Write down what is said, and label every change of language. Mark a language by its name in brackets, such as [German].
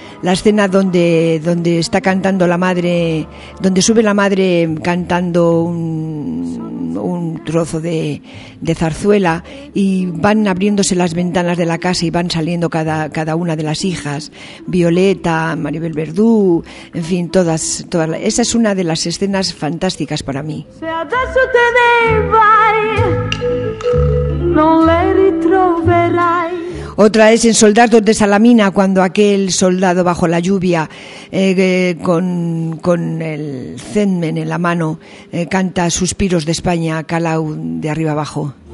[Spanish] la escena donde está cantando la madre, donde sube la madre cantando un trozo de zarzuela, y van abriéndose las ventanas de la casa y van saliendo cada una de las hijas, Violeta, Maribel Verdú, en fin, todas. Esa es una de las escenas fantásticas para mí. [Italian] Se adesso te ne vai, non le ritroverai. [Spanish] Otra es en Soldados de Salamina, cuando aquel soldado bajo la lluvia con el cendmen en la mano canta Suspiros de España, Calau de arriba abajo.